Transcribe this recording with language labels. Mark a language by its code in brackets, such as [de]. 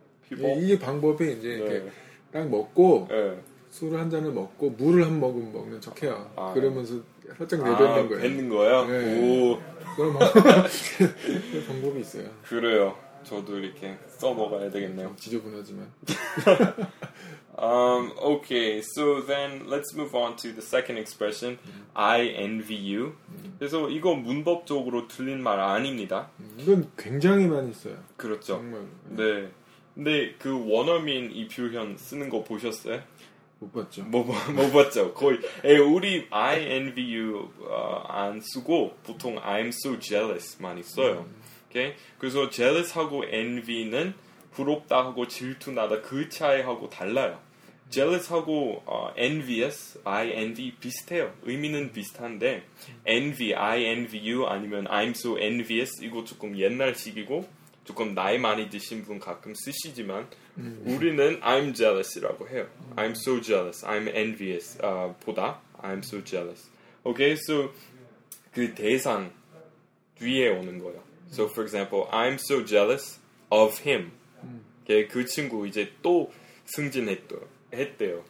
[ko] 네. 이게 방법이 이제 네. 이렇게 딱 먹고 네. 술 한 잔을 먹고 물을 한 모금 먹으면 척해요. 아, 그러면서 네. 살짝 내뱉는 거예요. 뱉는 거예요? 네. 오. 그럼 방법이 있어요. 그래요. 저도 이렇게 써 먹어야 되겠네요. 지저분하지만. [en] Okay, so then let's move on to the second expression, I envy you. [ko] 그래서 이거 문법적으로 틀린 말 아닙니다. 이건 굉장히 많이 써요. 그렇죠. 정말. 네. 근데 그 원어민 이 표현 쓰는 거 보셨어요? 못 봤죠. 못 봤죠. 거의. 에 우리 I envy you 안 쓰고 보통 I'm so jealous 많이 써요. 오케이. 그래서 jealous 하고 envy는 부럽다 하고 질투 나다 그 차이하고 달라요. [en] Jealous 하고 envious, I envy 비슷해요. [ko] 의미는 비슷한데 envy, I envy you 아니면 I'm so envious 이거 조금 옛날식이고 조금 나이 많이 드신 분 가끔 쓰시지만 우리는 I'm jealous 라고 해요. [en] I'm so jealous, I'm envious 보다 I'm so jealous. [ko] Okay, so 그 대상 뒤에 오는 거예요. [en] So for example, I'm so jealous of him. [ko] 그 친구 이제 또 승진했대요.